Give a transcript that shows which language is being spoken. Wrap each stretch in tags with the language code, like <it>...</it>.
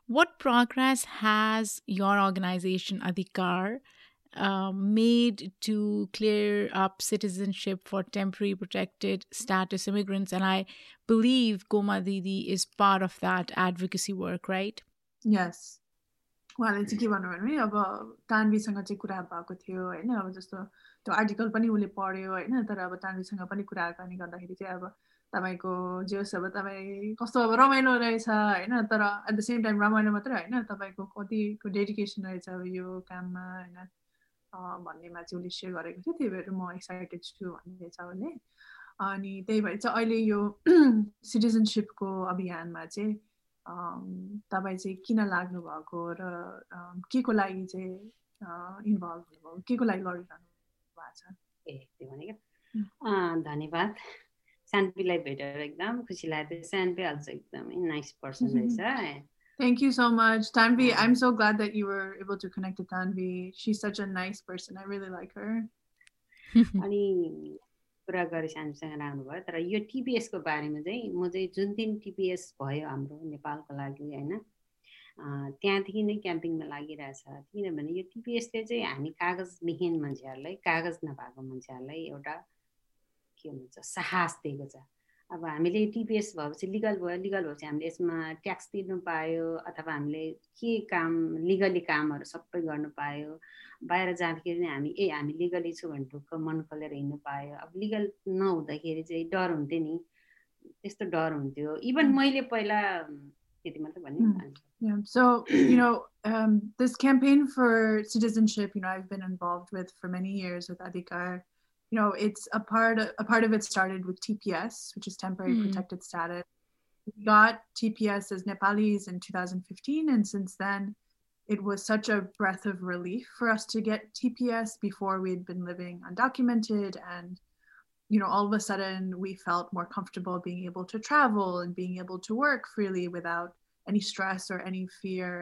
<en>What progress has your organization, Adhikar, made to clear up citizenship for temporary protected status immigrants? And I believe Goma Didi is part of that advocacy work, right? Yes.</en> <ne>उहाँले चाहिँ के भन्नुभयो भने अब तान्वीसँग चाहिँ कुरा भएको थियो होइन अब जस्तो त्यो आर्टिकल पनि उसले पढ्यो होइन तर अब तान्वीसँग पनि कुराकानी गर्दाखेरि चाहिँ अब तपाईँको जेस अब तपाईँ कस्तो अब रमाइलो रहेछ होइन तर</ne> <en>at the same time</en> <ne>रमाइलो मात्रै होइन तपाईँको कतिको डेडिकेसन रहेछ अब यो काममा होइन भन्नेमा चाहिँ उसले सेयर गरेको थियो त्यही भएर म एक्साइटेड छु भन्ने छ उसले अनि त्यही भएर चाहिँ अहिले यो सिटिजनसिपको अभियानमा चाहिँ तपाईँ चाहिँ किन लाग्नु भएको र के को लागि चाहिँ इन्भल्भ हुनुभएको के को लागि गरिरहनु भएको छ ए त्यो भनेको धन्यवाद सानपीलाई भेटेर एकदम खुसी लाग्यो सानपी अल्सो एकदमै</ne> <en>nice person</en> <ne>रहेछ</ne> <en>Thank you so much, Tanvi. I'm so glad that you were able to connect to Tanvi. She's such a nice person. I really like her.</en> <ne>अनि पुरा गरे सानसँग राम्रो भयो तर यो टिपिएसको बारेमा चाहिँ म चाहिँ जुन दिन टिपिएस भयो हाम्रो नेपालको लागि होइन त्यहाँदेखि नै क्याम्पिङमा लागिरहेछ किनभने यो टिपिएसले चाहिँ हामी कागज विहीन मान्छेहरूलाई कागज नभएको मान्छेहरूलाई एउटा के हुन्छ साहस दिएको छ अब हामीले टिपिएस भएपछि लिगल भयो लिगल भएपछि हामीले यसमा ट्याक्स तिर्नु पायो अथवा हामीले के काम लिगली कामहरू सबै गर्नु पायो बाहिर जाँदाखेरि नै हामी ए हामी लिगली छु भने ढुक्क मन खोलेर हिँड्नु पायो अब लिगल नहुँदाखेरि चाहिँ डर हुन्थ्यो नि त्यस्तो डर हुन्थ्यो इभन मैले पहिला त्यति मात्रै भन्ने</ne> <en>So you know this campaign for citizenship you know I have been involved with for many years with Adhikaar You know, it's a part of it started with TPS, which is temporary protected status. We got TPS as Nepalis in 2015, and since then, it was such a breath of relief for us to get TPS before we'd been living undocumented. And, you know, all of a sudden, we felt more comfortable being able to travel and being able to work freely without any stress or any fear.</en>